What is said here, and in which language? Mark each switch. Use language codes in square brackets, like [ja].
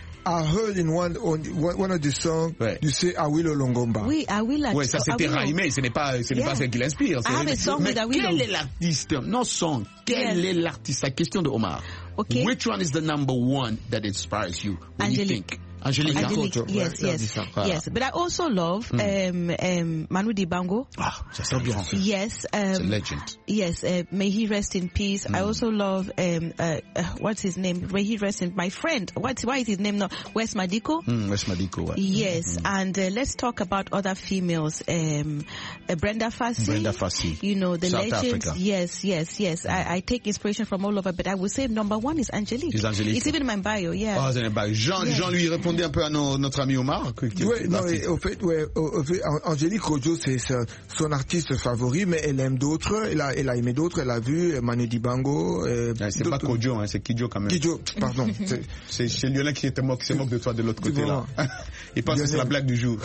[en] I heard in one of the songs, you say Awilo Longomba. [fr] Oui, Awilo. Ouais, ça c'était Raimé, ce n'est pas celle qui l'inspire. [en] I have a song with Awilo. [fr] Quel est l'artiste? Non, song. Quel est l'artiste? La question de Omar. [en] Okay. Which one is the number one that inspires you? Angelique. You think? Angelique, Angelique. Yes, yes, yes. But I also love Manu Dibango. [fr] Ah, ça sent bien. [en] Yes, a legend. Yes, may he rest in peace. Mm. I also love what's his name? May he rest in my friend. Why is his name not Wes Madiko? Wes Madiko. Yes, and let's talk about other females. Brenda Fassie. Brenda Fassie. You know the South legends. Africa. Yes, yes, yes. I take inspiration from all over, but I would say number one is Angelique. It's Angelique. It's even in my bio. Yeah. [fr] Oh, c'est un bio. Jean lui répondait un peu à notre ami Omar. Au fait, Angelique Rojo, c'est son artiste favori, mais elle aime d'autres. Elle a aimé d'autres. Elle a vu Manu Dibango. C'est pas Kojo, hein, c'est Kidjo quand même. Kidjo, pardon. c'est Lionel qui se moque de toi de l'autre côté là. Il pense que c'est la blague du jour.